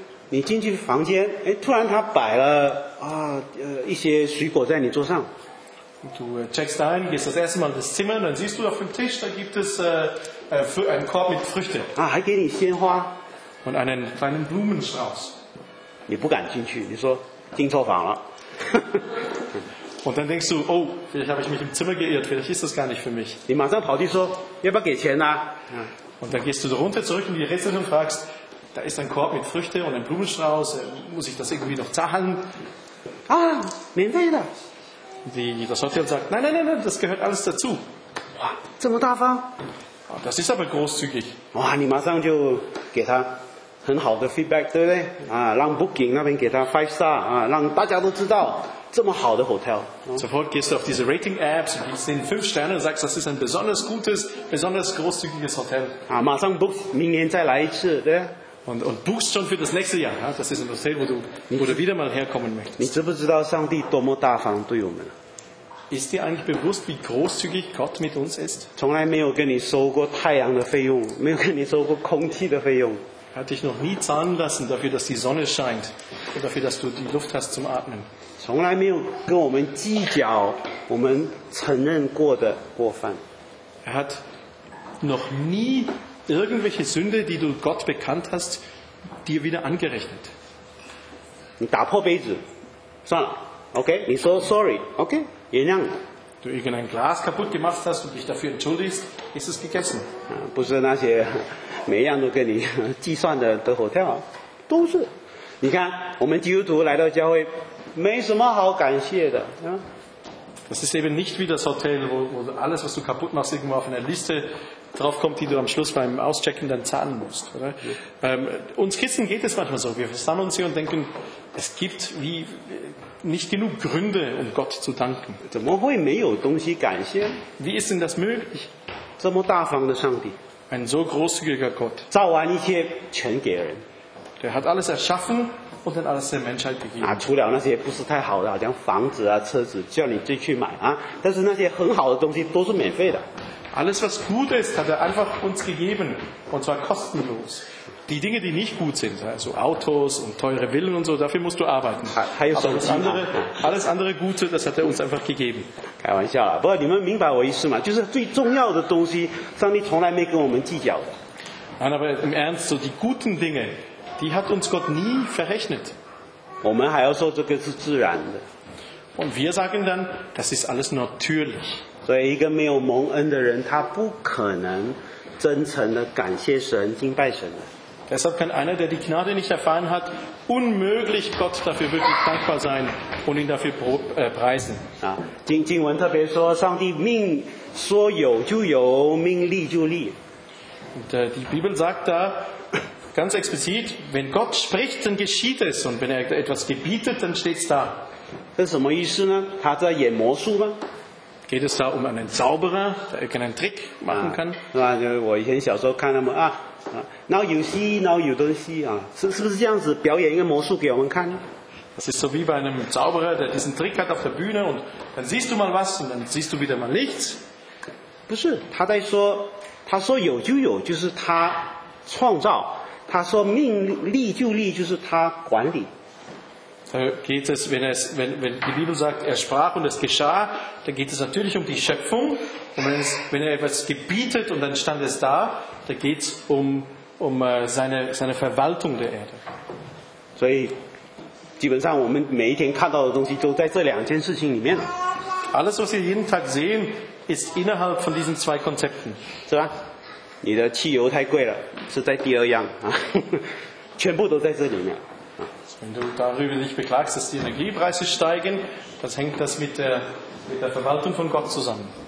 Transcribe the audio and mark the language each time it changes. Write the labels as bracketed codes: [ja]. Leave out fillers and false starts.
[zh] 你进去房间，突然他摆了一些水果在你桌上。 [de] Du checkst ein, gehst das erste Mal ins Zimmer, dann siehst du auf dem Tisch, da gibt es einen Korb mit Früchte. [zh] 还给你鲜花。 [de] Und einen kleinen Blumenstrauß. [zh] 你不敢进去，你说进错房了。 [de] Und dann denkst du, oh, vielleicht habe ich mich im Zimmer geirrt, vielleicht ist das gar nicht für mich. [zh] 你马上跑去说，要不要给钱啊？ [de] Und dann gehst du so runter zurück in die Rezeption und fragst, da ist ein Korb mit Früchte und ein Blumenstrauß, muss ich das irgendwie noch zahlen? [zh] Ah, 免费的。 [de] Das Hotel sagt, nein, das gehört alles dazu. [zh] 哇，这么大方。 [de] Das ist aber großzügig. [zh] 哇，你马上就给他很好的 feedback, 对不对？啊，让 Booking 那边给他 [en] five star, [zh] 啊，让大家都知道。这么好的 Hotel. [de] Sofort gehst du auf diese Rating Apps, gibst den 5 Sterne und sagst, das ist ein besonders gutes, besonders großzügiges Hotel. [zh] 啊，马上 book, 明年再来一次，对。 [de] Und buchst schon für das nächste Jahr. Das ist ein Hotel, wo du wieder mal herkommen möchtest. [zh] 你知不知道上帝多么大方对我们？ [de] Ist dir eigentlich bewusst, wie großzügig Gott mit uns ist? [zh] 从来没有跟你收过太阳的费用，没有跟你收过空气的费用。 [de] Hat dich noch nie zahlen lassen dafür, dass die Sonne scheint und dafür, dass du die Luft hast zum Atmen. [zh] 从来没有跟我们计较我们承认过的过犯。 [de] Er hat noch nie irgendwelche Sünde, die du Gott bekannt hast, dir wieder angerechnet. [zh] 你打破杯子，算了 ，OK？ 你说 sorry， OK？ 原谅。 [de] Du irgendein Glas kaputt gemacht hast und dich dafür entschuldigst, ist es gegessen. [zh] 不是那些。每一样都跟你计算的 hotel 都是你看我们基督徒来到教会没什么好感谢的、啊、 [de] Das ist eben nicht wie das Hotel wo alles was du kaputt machst irgendwo auf einer Liste drauf kommt die du am Schluss beim Auschecken dann zahlen musst oder?、Uns Christen geht es manchmal so wir versammeln uns hier und denken es gibt wie nicht genug Gründe um Gott zu danken [zh] 怎么会没有东西感谢 [de] Wie ist denn das möglich [zh] 这么大方的上帝 [de] Ein so großzügiger Gott. [zh] 造完一切全给人。 [de] Der hat alles erschaffen und dann alles der Menschheit gegeben. [zh] 除了那些不是太好的，好像房子啊、车子，叫你自己去买啊。但是那些很好的东西都是免费的。 [de] Alles was gut ist, hat einfach uns gegeben und zwar kostenlos. Die Dinge, die nicht gut sind, also Autos und teure Villen und so, dafür musst du arbeiten. [zh] 还有手机啊。 [de] Alles andere Gute, das hat uns einfach gegeben. [zh] 开玩笑啦，不过你们明白我意思嘛？就是最重要的东西，上帝从来没跟我们计较的。 [de] Nein, aber im Ernst, so die guten Dinge, die hat uns Gott nie verrechnet. [zh] 我们还要说这个是自然的。 [de] Und wir sagen dann, das ist alles natürlich. [zh] 所以一个没有蒙恩的人，他不可能真诚的感谢神、敬拜神的。 [de] Deshalb kann einer, der die Gnade nicht erfahren hat, unmöglich Gott dafür wirklich dankbar sein und ihn dafür preisen. [zh] 经文特别说，上帝命说有就有，命立就立。 [de] Und die Bibel sagt da ganz explizit, wenn Gott spricht, dann geschieht es. Und wenn er etwas gebietet, dann steht es da. [zh] 这是什么意思呢?他在演魔术吗? [de] Geht es da um einen Zauberer, der irgendeinen Trick machen kann? [zh] 我以前小时候看他们啊, [en] now you see, now you don't see. [zh] 是不是这样子表演一个魔术给我们看? [de] Das ist so wie bei einem Zauberer, der diesen Trick hat auf der Bühne und dann siehst du mal was und dann siehst du wieder mal nichts. [zh] 不是, 他说有就有, 就是他创造, 他说命立就立, 就是他管理。 [de] Da geht es, wenn die Bibel sagt, er sprach und es geschah, dann geht es natürlich um die Schöpfung. Und wenn er etwas gebietet und dann stand es da, dann geht es um seine Verwaltung der Erde. [zh] 所以, 基本上我们每一天看到的东西都在这两件事情里面。 [de] Alles, was wir jeden Tag sehen, ist innerhalb von diesen zwei Konzepten. [zh] 是吧? 你的汽油太贵了, 是在第二样, 啊, 全部都在这里面。 [de] Wenn du darüber nicht beklagst, dass die Energiepreise steigen, das hängt das mit der Verwaltung von Gott zusammen.